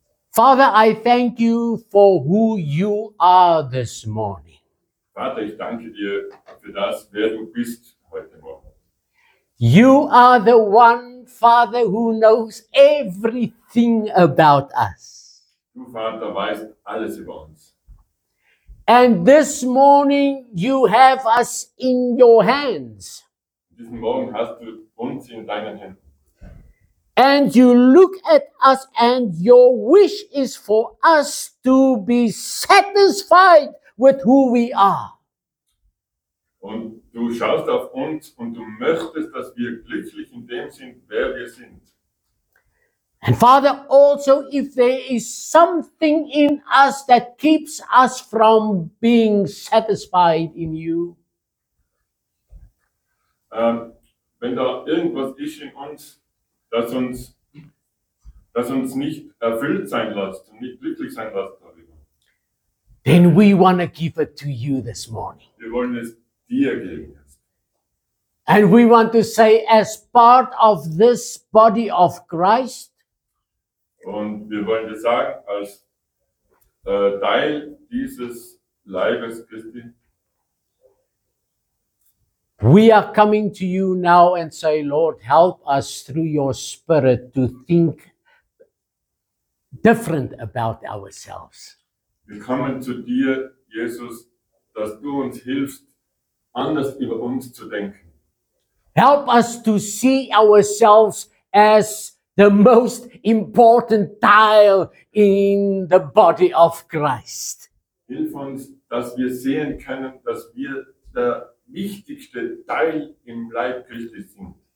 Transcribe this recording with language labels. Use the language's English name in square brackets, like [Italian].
[English] Father, I thank you for who you are this morning. [German] Vater, ich danke dir für das, wer du bist heute Morgen. [English] You are the one, Father, who knows everything about us. [German] Du, Vater, weißt alles über uns. [English] And this morning you have us in your hands. [German] Diesen Morgen hast du uns in deinen Händen. [English] And you look at us and your wish is for us to be satisfied with who we are. [German] Und du schaust auf uns und du möchtest, dass wir glücklich in dem sind, wer wir sind. [English] And Father, also if there is something in us that keeps us from being satisfied in you. [German] Wenn da irgendwas ist in uns, das uns nicht erfüllt sein lässt, nicht glücklich sein lässt darüber. [English] Then we want to give it to you this morning. [German] Wir wollen es dir geben. [English] And we want to say, as part of this body of Christ. [German] Und wir wollen dir sagen, als Teil dieses Leibes Christi. [English] We are coming to you now and say, Lord, help us through your Spirit to think different about ourselves. [German] Wir kommen zu dir, Jesus, dass du uns hilfst, anders über uns zu denken. [English] Help us to see ourselves as the most important tile in the body of Christ. [German] Hilf uns, dass wir sehen können, dass wir der wichtigste Teil im Leib Christi sind.